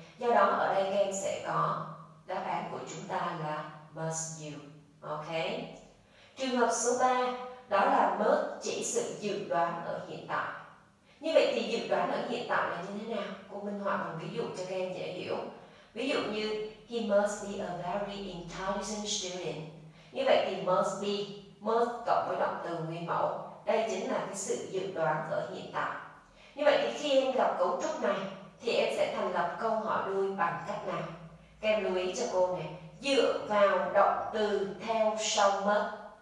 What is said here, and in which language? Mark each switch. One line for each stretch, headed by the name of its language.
Vietnamese: Do đó ở đây các em sẽ có đáp án của chúng ta là
English: must you.
Vietnamese: Ok. Trường hợp số 3, đó là mất chỉ sự dự đoán ở hiện tại. Như vậy thì dự đoán ở hiện tại là như thế nào? Cô minh họa bằng ví dụ cho các em dễ hiểu. Ví dụ như,
English: he must be a very intelligent student.
Vietnamese: Như vậy thì must be, must cộng với động từ nguyên mẫu. Đây chính là cái sự dự đoán ở hiện tại. Như vậy thì khi em gặp cấu trúc này, thì em sẽ thành lập câu hỏi đuôi bằng cách nào? Các em lưu ý cho cô này, dựa vào động từ theo sau must.